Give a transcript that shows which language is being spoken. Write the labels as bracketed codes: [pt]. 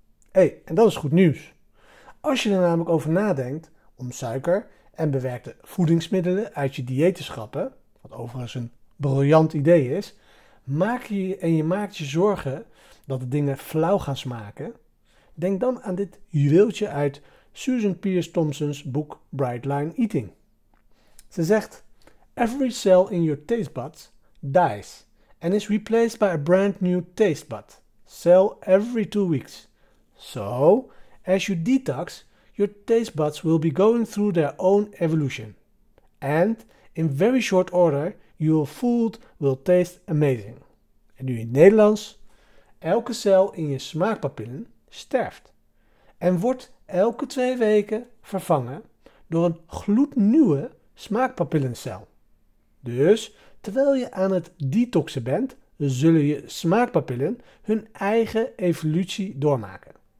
[nl] Hé, en dat is goed nieuws. Als je er namelijk over nadenkt om suiker en bewerkte voedingsmiddelen uit je dieet te schrappen, wat overigens een briljant idee is, maak je zorgen dat de dingen flauw gaan smaken, denk dan aan dit juweeltje uit Susan Pierce Thompson's boek Bright Line Eating. Ze zegt, [en] every cell in your taste buds dies and is replaced by a brand new taste bud, cell every 2 weeks. So, as you detox, your taste buds will be going through their own evolution. And, in very short order, your food will taste amazing. [nl] En nu in het Nederlands, elke cel in je smaakpapillen sterft en wordt elke 2 weken vervangen door een gloednieuwe smaakpapillencel. Dus, terwijl je aan het detoxen bent, zullen je smaakpapillen hun eigen evolutie doormaken.